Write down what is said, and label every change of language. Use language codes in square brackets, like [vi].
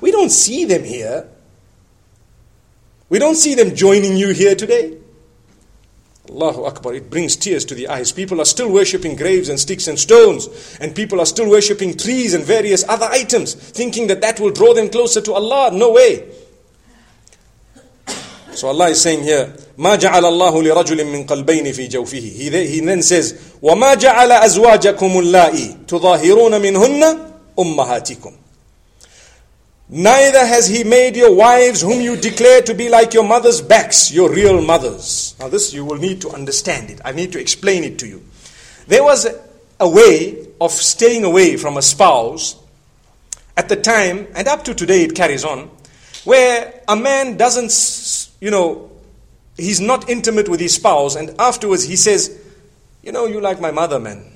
[en] We don't see them here. We don't see them joining you here today. Allahu Akbar, it brings tears to the eyes. People are still worshipping graves and sticks and stones. And people are still worshipping trees and various other items, thinking that that will draw them closer to Allah. No way. [ar] So Allah is saying here, مَا جَعَلَ اللَّهُ لِرَجُلٍ مِّن قَلْبَيْنِ فِي جَوْفِهِ. He then says, وَمَا جَعَلَ أَزْوَاجَكُمُ اللَّائِي تُظَاهِرُونَ مِنْهُنَّ أُمَّهَاتِكُمْ. [en] Neither has He made your wives whom you declare to be like your mother's backs, your real mothers. Now this you will need to understand it. I need to explain it to you. There was a way of staying away from a spouse at the time, and up to today it carries on, where a man doesn't, you know, he's not intimate with his spouse, and afterwards he says, you know, you like my mother, man.